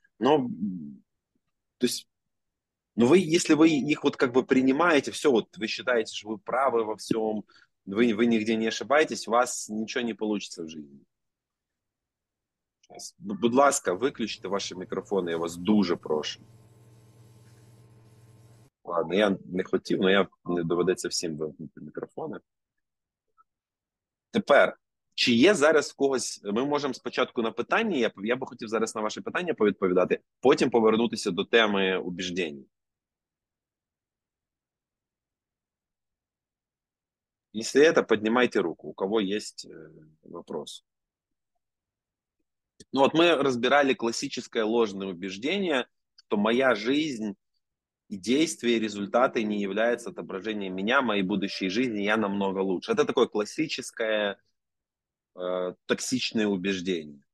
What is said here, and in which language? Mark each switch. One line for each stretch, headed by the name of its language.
Russian: Но, то есть, ну вы, если вы их вот как бы принимаете, все, вот вы считаете, что вы правы во всем, вы нигде не ошибаетесь, у вас ничего не получится в жизни.
Ukrainian: Будь ласка,
Russian: выключите ваши микрофоны,
Ukrainian: я вас дуже прошу. Ладно, я не хотів, но я не доведеться всім вимкнути мікрофони. Тепер, чи є зараз в когось, ми можемо спочатку на питання, я би хотів зараз на ваше питання повідповідати, потім повернутися до теми убіждень. Якщо це, піднімайте руку, у кого є вопрос.
Russian: Ну вот мы разбирали классическое ложное убеждение, что моя жизнь и действия, и результаты не являются отображением меня, моей будущей жизни, я намного лучше. Это такое классическое токсичное убеждение.